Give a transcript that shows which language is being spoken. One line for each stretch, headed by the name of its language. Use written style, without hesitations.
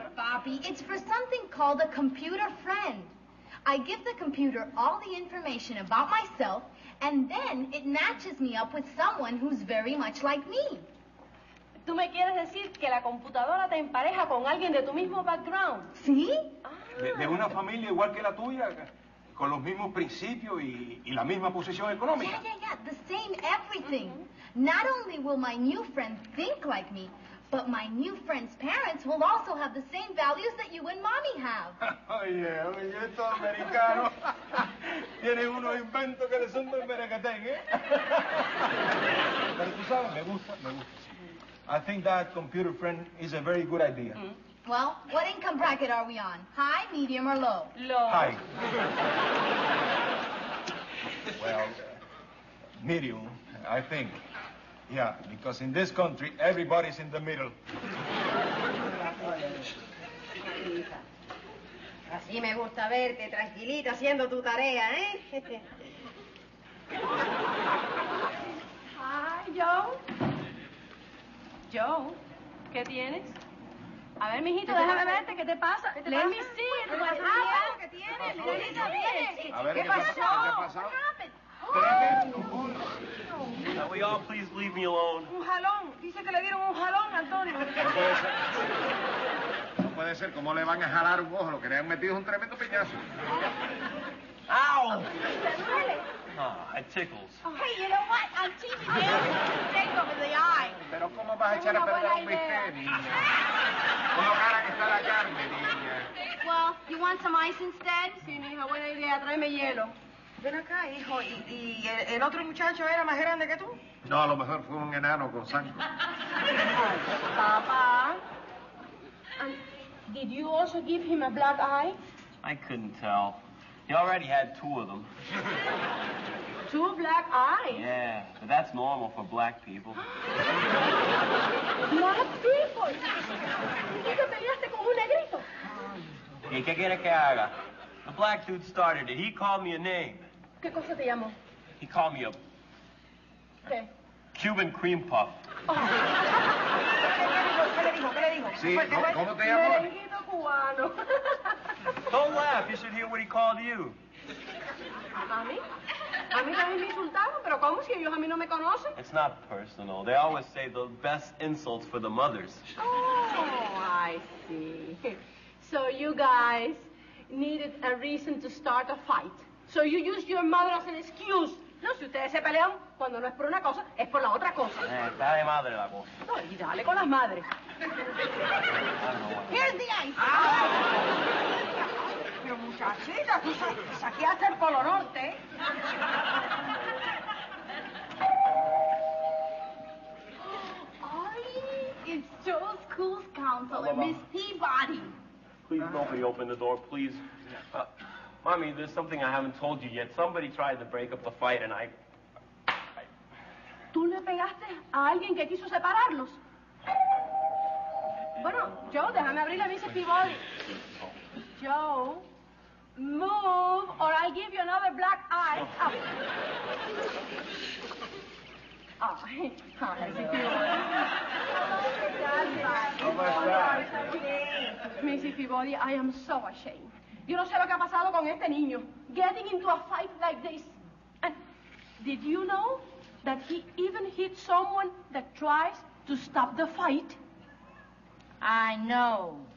English: Ay, papi, it's for something called a computer friend. I give the computer all the information about myself, and then it matches me up with someone who's very much like me.
Spanish: ¿Tú me quieres decir que la computadora te empareja con alguien de tu mismo background? ¿Sí? De una familia igual que la tuya, con los mismos principios y la misma posición económica.
English: Yeah, the same everything. Mm-hmm. Not only will my new friend think like me, but my new friend's parents will also have the same values that you and mommy have.
Spanish: Oye, estos americanos tienen unos inventos que les son de merengatén, ¿eh? Pero tú sabes, me gusta, sí.
English: I think that computer friend is a very good idea. Mm-hmm. Well, what income bracket are we on? High, medium, or low? Low. High. Well, medium, I think. Yeah, because in this country, everybody's in the middle.
Spanish: Así me gusta verte, tranquilita, haciendo tu tarea, ¿eh? Hi, Joe. Joe, ¿qué tienes? A ver, mijito, déjame verte, ¿qué te pasa? ¿Qué te
English: Let pasa? Me see it. What happened?
Spanish: ¿Qué tienes? ¿Qué tienes? ¿Qué pasó? ¿Qué pasó?
English: Can we all please leave me alone?
Spanish: Un jalón. Dice que le dieron un jalón, Antonio. No puede ser. ¿Cómo le van a jalar un ojo? Lo que le han metido es un tremendo piñazo. Ow! ¿Te duele?
English: Ah, it tickles. Oh, hey, you know what? I'm teasing you. Tickle in the eye.
Spanish: ¿Pero cómo vas a echar a perder un bistec, niña? Con lo cara que está la carne, niña.
English: Well, you want some ice instead?
Spanish: Sí, niña, buena idea. Tráeme hielo. Ven acá, hijo. ¿Y el otro muchacho era más grande que tú? No, a lo mejor fue un enano con sangre. Papá.
English: Did you also give him a black eye? I couldn't tell. He already had two of them. Two black eyes? Yeah, but that's normal for black people. Black people?
Spanish: ¿Y qué peleaste con un negrito? ¿Y qué quiere que haga?
English: The black dude started it. He called me a name.
Spanish: ¿Qué cosa te llamó?
English: He called me a...
Spanish: ¿Qué?
English: Cuban cream puff.
Spanish: ¿Qué le dijo? Sí, ¿cómo te llamó? Merenguito cubano.
English: Don't laugh. You should hear what he called you.
Spanish: ¿A mí? A mí también me insultaron, pero ¿cómo si ellos a mí no me conocen?
English: It's not personal. They always say the best insults for the mothers. Oh, I see. So you guys needed a reason to start a fight. So you use your mother as an excuse.
Spanish: No, si ustedes se pelean, cuando no es por una cosa, es por la otra cosa. Está de madre la cosa. No, y dale con las madres.
English: Here's the ice.
Spanish: Ah. Pero muchachita, tú saqueaste el Polo Norte.
English: Ay, it's Joe's school counselor, Miss Peabody. Please, nobody open the door, please. Mommy, there's something I haven't told you yet. Somebody tried to break up the fight, and I...
Spanish: ¿Tú le pegaste a alguien que quiso separarlos? Bueno, Joe, déjame abrir la misa Peabody.
English: Joe, move, or I'll give you another black eye. Ay, oh.
Spanish: Ay, Missy Peabody,
English: I am so ashamed.
Spanish: Yo no sé lo que ha pasado con este niño.
English: Getting into a fight like this. And did you know that he even hit someone that tries to stop the fight? I know.